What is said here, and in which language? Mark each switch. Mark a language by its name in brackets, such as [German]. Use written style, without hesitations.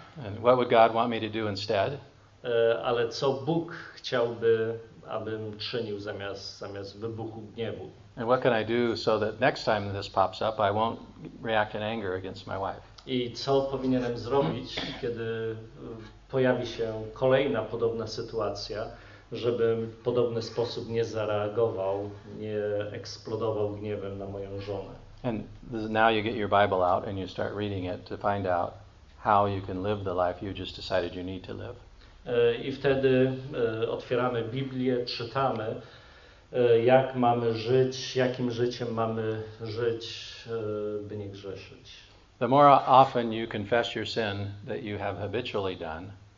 [English] And what would God want me to do instead? [Polish] Ale co Bóg chciałby, abym czynił zamiast wybuchu gniewu? [English] And what can I do so that next time this pops up, I won't react in anger against my wife? [Polish] I co powinienem zrobić, kiedy pojawi się kolejna podobna sytuacja, żebym w podobny sposób nie zareagował, nie eksplodował gniewem na moją żonę. [English] And now you get your Bible out and you start reading it to find out how you can live the life you just decided you need to live. [Polish] I wtedy otwieramy Biblię, czytamy, jak mamy żyć, jakim życiem mamy żyć, by nie grzeszyć. [English] The more often you confess your sin that you have habitually done,